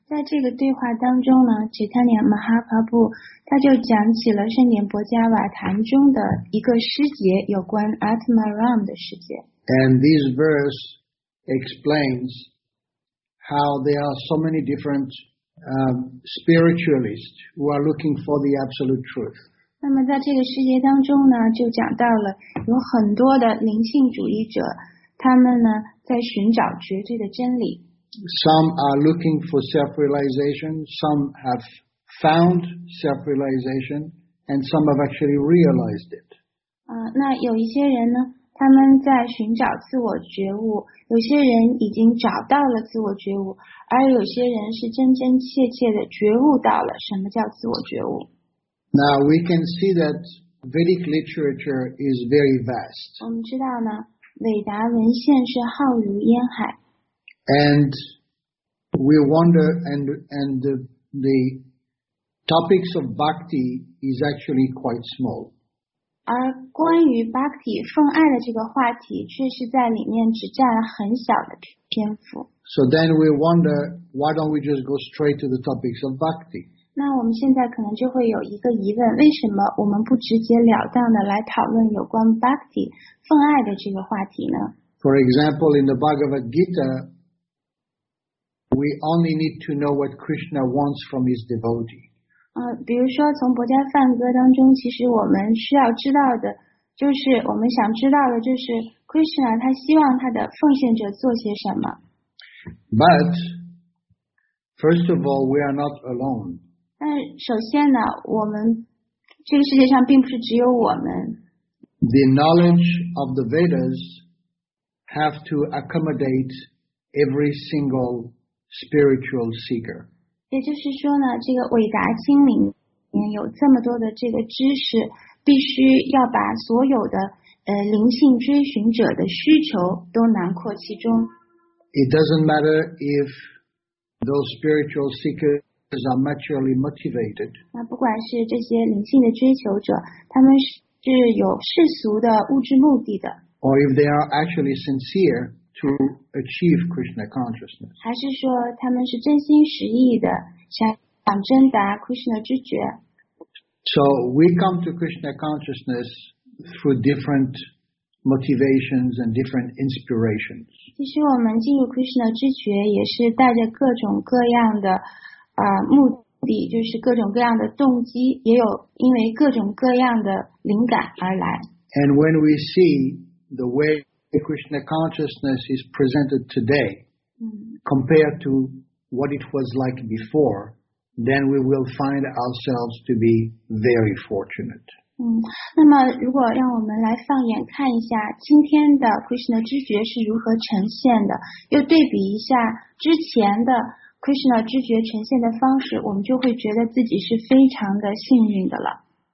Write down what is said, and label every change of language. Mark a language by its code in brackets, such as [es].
[zh] 在这个对话当中呢 Chaitanya Mahaprabhu 他就讲起了圣典薄伽瓦坛中的一个师节有关 Atmaram 的师节。 [en] And this verse explains how there are so many different spiritualists who are looking for the absolute truth. [zh] 那么在这个世界当中呢就讲到了有很多的灵性主义者他们呢在寻找绝对的真理。 [en] Some are looking for self-realization, some have found self-realization, and some have actually realized it. [zh] 那有一些人呢他们在寻找自我觉悟有些人已经找到了自我觉悟而有些人是真真切切的觉悟到了什么叫自我觉悟。 [en] Now we can see that Vedic literature is very vast. [zh] 我们知道呢，韦达文献是浩如烟海。 [en] And we wonder, and the topics of bhakti is actually quite small. [zh] 而关于 bhakti 奉爱的这个话题，却是在里面只占了很小的篇幅。 [en] So then we wonder, why don't we just go straight to the topics of bhakti? [zh] 那我们现在可能就会有一个疑问，为什么我们不直截了当的来讨论有关 bhakti 奉爱的这个话题呢 [en] ？For example, in the Bhagavad Gita, we only need to know what Krishna wants from his devotee. [zh] 比如说从薄伽梵歌当中，其实我们需要知道的，就是我们想知道的，就是 Krishna 他希望他的奉献者做些什么。 [en] But first of all, we are not alone. [zh] 但首先呢我们这个世界上并不是只有我们。 [en] The knowledge of the Vedas have to accommodate every single spiritual seeker. [zh] 也就是说呢这个韦达经里面有这么多的这个知识必须要把所有的灵性追寻者的需求都囊括其中。 [en] It doesn't matter if those spiritual seekers are maturely motivated. [zh] 那不管是这些灵性的追求者，他们是有世俗的物质目的的。 [en] Or if they are actually sincere to to achieve Krishna consciousness? [zh] 还是说他们是真心实意的想真达 Krishna 知觉？ [en] So we come to Krishna consciousness through different motivations and different inspirations. [zh] 其实我们进入 Krishna 知觉也是带着各种各样的目的。就是各种各样的动机，也有因为各种各样的灵感而来。 [en] And when we see the way the Krishna consciousness is presented today, compared to what it was like before, then we will find ourselves to be very fortunate. [zh] 那么如果让我们来放眼看一下今天的 Krishna 知觉是如何呈现的，又对比一下之前的Krishna 知觉呈现的方式，我们就会觉得自己是非常的幸运的了。